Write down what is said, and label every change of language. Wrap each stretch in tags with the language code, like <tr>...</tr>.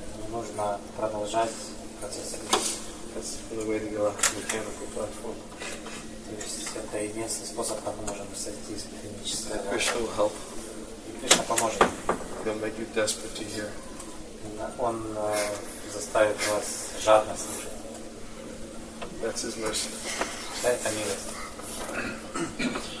<ru>Нужно продолжать процесс.</ru> <en>That's the way to go on the mechanical platform.</en> <ru>То есть это единственный способ, как мы можем сойти из механического.</ru> <en>And Krishna will help.</en> <ru>И Кришна поможет.</ru> <en>He'll make you desperate to hear.</en> <ru>Он заставит вас жадно слушать.</ru> <en>That's his mercy.</en> <ru>Это милость.</ru>